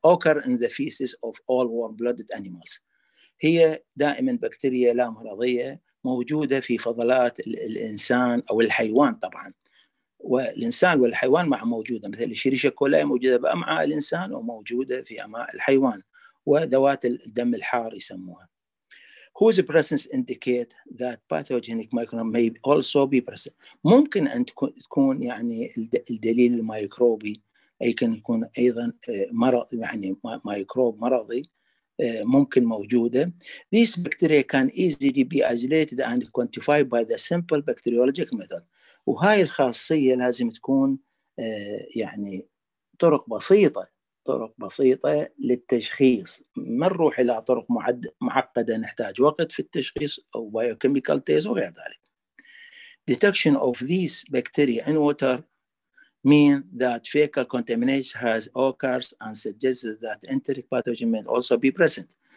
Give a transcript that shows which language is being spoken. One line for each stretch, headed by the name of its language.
English: occur in the feces of all warm-blooded animals،
Arabic: هي دائماً بكتيريا لا مرضية موجودة في فضلات الإنسان أو الحيوان طبعاً، والإنسان والحيوان مع موجودة مثل الشريشة كولاي موجودة بأمعاء الإنسان وموجودة في أمعاء الحيوان، وذوات الدم الحار يسموها.
English: whose presence indicate that pathogenic microbe may also be present،
Arabic: ممكن أن تكون يعني الدليل الميكروبي أي كان يكون أيضا مرض، يعني ميكروب مرضي ممكن موجودة.
English: these bacteria can easily be isolated and quantified by the simple bacteriological method،
Arabic: وهاي الخاصية لازم تكون يعني طرق بسيطة، طرق بسيطة للتشخيص، ما نروح إلى طرق معقدة نحتاج وقت في التشخيص أو biochemical test وغير ذلك.
English: Detection of these bacteria in water mean that fecal contamination has occurred and suggests that enteric pathogen may also be present.